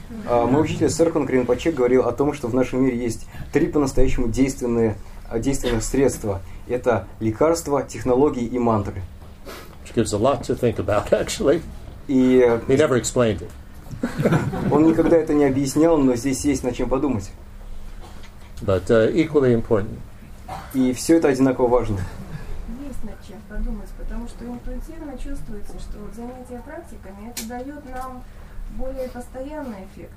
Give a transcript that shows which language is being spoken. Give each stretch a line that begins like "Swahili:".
Russian: Мой учитель Сиркун Ринпоче говорил о том, что в нашем мире есть три по-настоящему действенных средства. Это лекарства, технологии и мантры.
English: Which gives a lot to think about, actually.
Russian: И
English: he never explained it.
Russian: Он никогда это не объяснял, но здесь есть над чем подумать.
English: But equally important.
Russian: И все это одинаково важно. Подумать, потому что интуитивно чувствуется, что вот занятия практиками это дает нам более постоянный эффект.